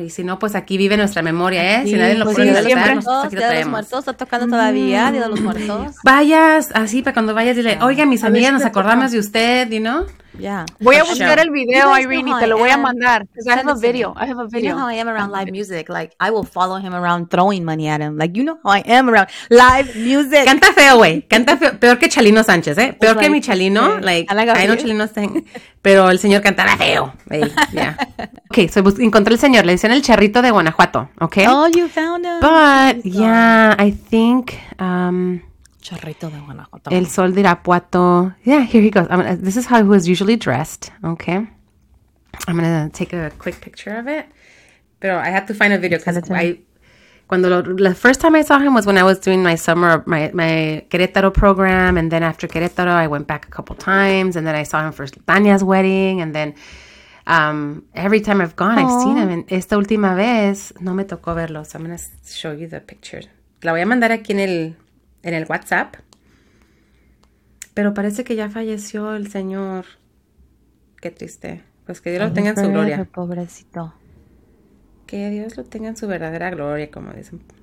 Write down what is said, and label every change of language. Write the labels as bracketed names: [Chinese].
[Spanish] Y si no, pues aquí vive nuestra memoria, ¿eh? Sí, si nadie lo puede recordar, nosotros aquí lo traemos. Día de los Muertos, está tocando todavía, Día de los Muertos. Vayas, así, para cuando vayas, dile, oiga, mis amigas, nos acordamos de usted, you know? [English] Yeah. [Spanish] Voy a buscar el video, Irene, y te lo voy a mandar. [English] I have a video. You know how I am around live music. Like, I will follow him around throwing money at him. Like, you know how I am around live music. [Spanish] Canta feo, güey. Canta feo. Peor que Chalino Sánchez, ¿eh? Peor que mi Chalino. [English] Like, I know Chalino thing. Pero el señor cantará feo. Hey, yeah. [Spanish] Okay, so encontré el señor. Le dicen el charrito de Guanajuato, okay? [English] Oh, you found him. But, yeah, I think... [Spanish] Charrito de Guanajuato. [English] El sol de Irapuato. Yeah, here he goes. This is how he was usually dressed. Okay. I'm going to take a quick picture of it. Pero I have to find a video because the first time I saw him was when I was doing my summer, my Querétaro program. And then after Querétaro, I went back a couple times. And then I saw him for Tania's wedding. And then every time I've gone, aww, I've seen him. And esta última vez, no me tocó verlo. So I'm going to show you the picture. [Spanish] La voy a mandar aquí en el WhatsApp. Pero parece que ya falleció el señor. Qué triste. Pues que Dios lo tenga en su gloria. Pobrecito. Que Dios lo tenga en su verdadera gloria, como dicen.